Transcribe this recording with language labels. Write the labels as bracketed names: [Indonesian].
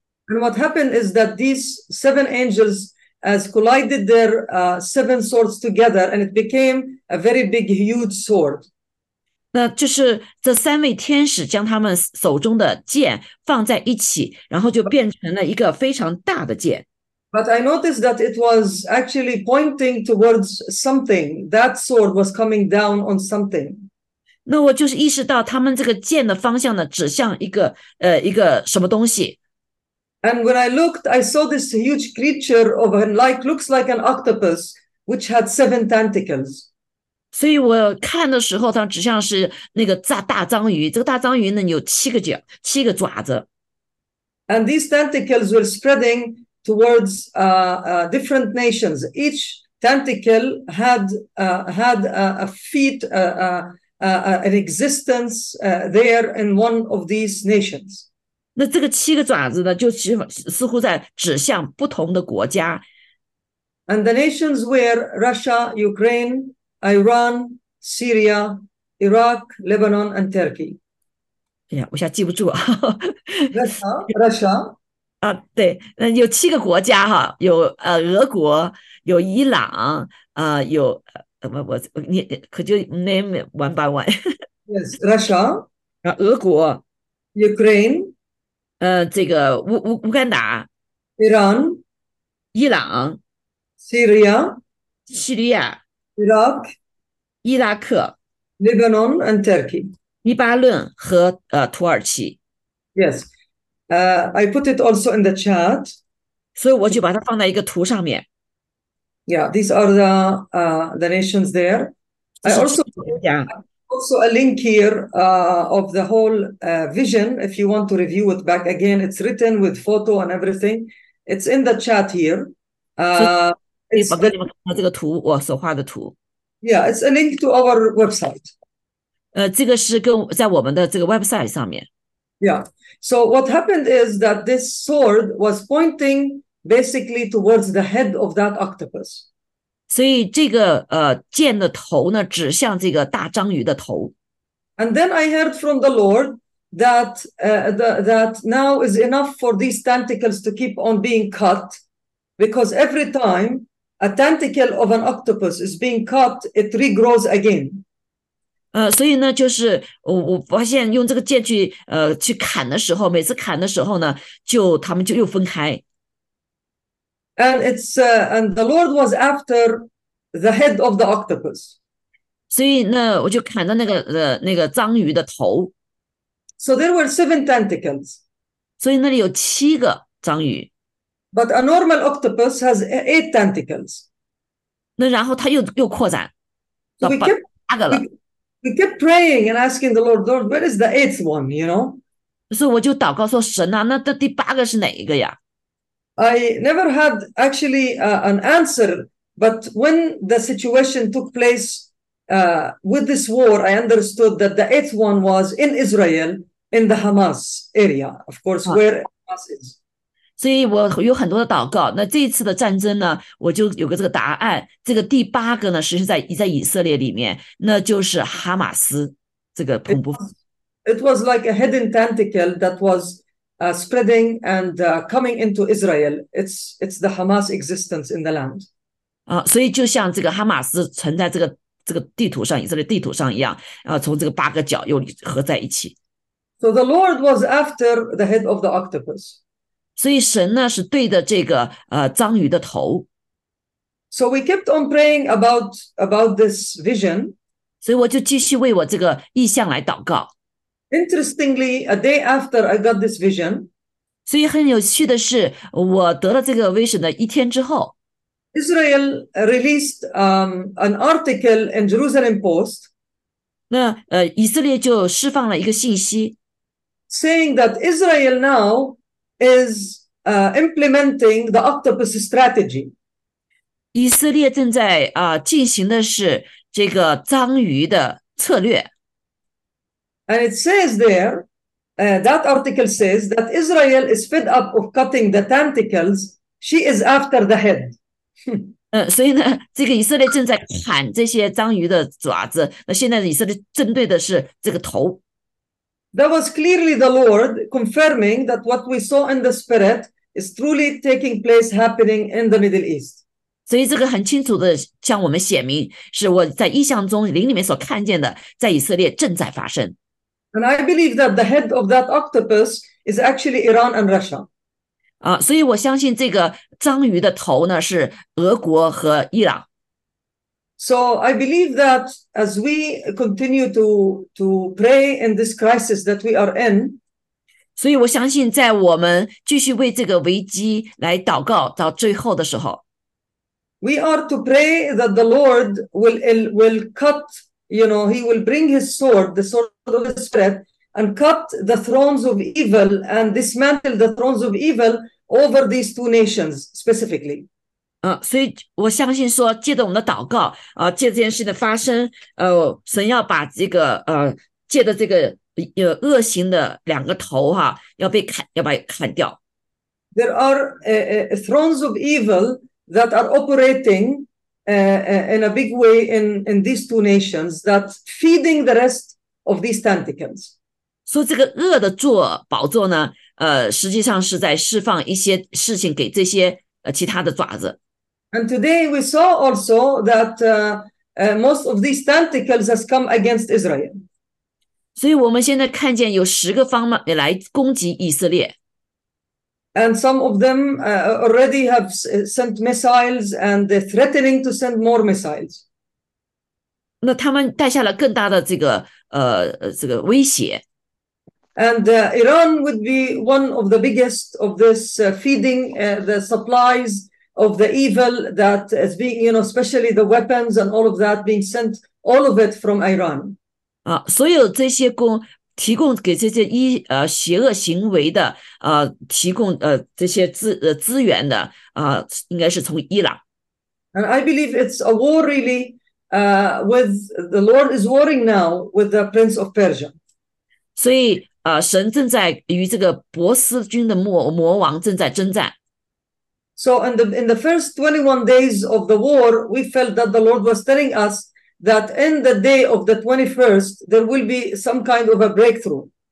[English] And what happened is that these seven angels as collided their seven swords together, and it became a very big, huge sword. [Chinese] 那就是这3位天使将他们手中的剑放在一起，然后就变成了一个非常大的剑。 [English] But I noticed that it was actually pointing towards something. That sword was coming down on something. [Chinese] 那我就是意识到他们这个剑的方向呢，指向一个什么东西。 [English] And when I looked, I saw this huge creature of an like looks like an octopus, which had seven tentacles. [Chinese] 所以我看的时候，它指向是那个大章鱼。这个大章鱼呢，有七个爪子。 [English] And these tentacles were spreading towards different nations. Each tentacle had a feet an existence there in one of these nations. [Chinese] 那这个七个爪子呢，就似乎在指向不同的国家。 [English] And the nations were Russia, Ukraine, Iran, Syria, Iraq, Lebanon, and Turkey. [Chinese] 哎呀，我现在记不住啊， [English] Russia, Russia. [Chinese] 对，那有七个国家哈，有俄国，有伊朗，有我你可就 [English] name one by one， Yes，Russia， [Chinese] 啊，俄国， [English] Ukraine。 [Chinese] 这个乌干达， [English] Iran, [Chinese] 伊朗， [English] Syria, [Chinese] 叙利亚， [English] Iraq, [Chinese] 伊拉克， [English] Lebanon, and Turkey. [Chinese] 黎巴嫩和土耳其。 [English] Yes, I put it also in the chat. [Chinese] 所以我就把它放在一个图上面。 [English] Yeah, these are the nations there. [Chinese] 这 [English] I [Chinese] 是具体国 [English] also [Chinese] 家。 [English] a link here of the whole vision. If you want to review it back again, it's written with photo and everything. It's in the chat here. [Chinese] 以保证你们看到这个图，我所画的图。 [English] It's a link to our website. [Chinese] 这个是跟在我们的这个 website 上面。 [English] So what happened is that this sword was pointing basically towards the head of that octopus. [Chinese] 所以这个剑的头呢，指向这个大章鱼的头。 [English] And then I heard from the Lord that now is enough for these tentacles to keep on being cut, because every time a tentacle of an octopus is being cut, it regrows again. [Chinese] 所以呢，就是我发现用这个剑去去砍的时候，每次砍的时候呢，就他们就又分开。 [English] And the Lord was after the head of the octopus. [Chinese] 所以呢，我就砍到那个章鱼的头， [English] So there were seven tentacles. [Chinese] 所以那里有七个章鱼。 [English] But a normal octopus has eight tentacles. [Chinese] 那然后它又扩展 [English] So [Chinese] 到8个了。 [English] we kept praying and asking the Lord, Lord, where is the eighth one, [Chinese] 所以我就祷告说：“神啊，那这第八个是哪一个呀？” [English] I never had actually an answer, but when the situation took place with this war, I understood that the eighth one was in Israel. In the Hamas area, of course, where Hamas is. [Chinese] 所以我有很多的祷告。那这一次的战争呢，我就有个这个答案。这个第八个呢，实际在以色列里面，那就是哈马斯这个恐怖。 [English] It was like a hidden tentacle that was spreading and coming into Israel. It's the Hamas existence in the land. [Chinese] 所以就像这个哈马斯存在这个地图上，以色列地图上一样，从这个八个角又合在一起。 [English] So the Lord was after the head of the octopus. [Chinese] 所以神呢是对着这个章鱼的头， [English] So we kept on praying about this vision. [Chinese] 所以我就继续为我这个意象来祷告。 [English] Interestingly, a day after I got this vision, [Chinese] 所以很有趣的是，我得了这个 vision 的一天之后。 [English] Israel released an article in Jerusalem Post. [Chinese] 那以色列就释放了一个信息， [English] Saying that Israel now is implementing the octopus strategy. [Chinese] 以色列正在进行的是这个章鱼的策略。 [English] And it says there, that article says that Israel is fed up of cutting the tentacles. She is after the head. [Chinese] 所以呢，这个以色列正在砍这些章鱼的爪子。那现在以色列针对的是这个头。 [English] That was clearly the Lord confirming that what we saw in the spirit is truly taking place happening in the Middle East. [Chinese] 所以这个很清楚的向我们显明，是我在意象中灵里面所看见的，在以色列正在发生。 [English] And I believe that the head of that octopus is actually Iran and Russia. [Chinese] 所以我相信这个章鱼的头呢是俄国和伊朗。 [English] So I believe that as we continue to pray in this crisis that we are in, [Chinese] 所以我相信，在我们继续为这个危机来祷告到最后的时候， [English] we are to pray that the Lord will cut, he will bring his sword, the sword of the spirit, and cut the thrones of evil and dismantle the thrones of evil over these two nations specifically. [Chinese] 所以我相信说，借着我们的祷告，借这件事的发生，神要把这个借着这个恶行的两个头哈，要被砍，要把它砍掉。 [English] There are thrones of evil that are operating in a big way in these two nations that feeding the rest of these tentacles. [Chinese] So 这个恶的宝座呢，实际上是在释放一些事情给这些其他的爪子。 [English] And today we saw also that most of these tentacles has come against Israel. [Chinese] 所以我们现在看见有十个方面来攻击以色列。 [English] And some of them already have sent missiles and they're threatening to send more missiles. [Chinese] 那他们带下了更大的这个威胁。 [English] And Iran would be one of the biggest of this feeding the supplies of the evil that is being, you know, especially the weapons and all of that being sent, all of it from Iran. [Chinese] 啊，所有这些供提供给这些一邪恶行为的提供这些资源的应该是从伊朗。 [English] And I believe it's a war really, with the Lord is warring now with the Prince of Persia. [Chinese] 所以神正在与这个波斯军的魔王正在征战。 [English] So in the first 21 days of the war, we felt that the Lord was telling us that in the day of the 21st, there will be some kind of a breakthrough.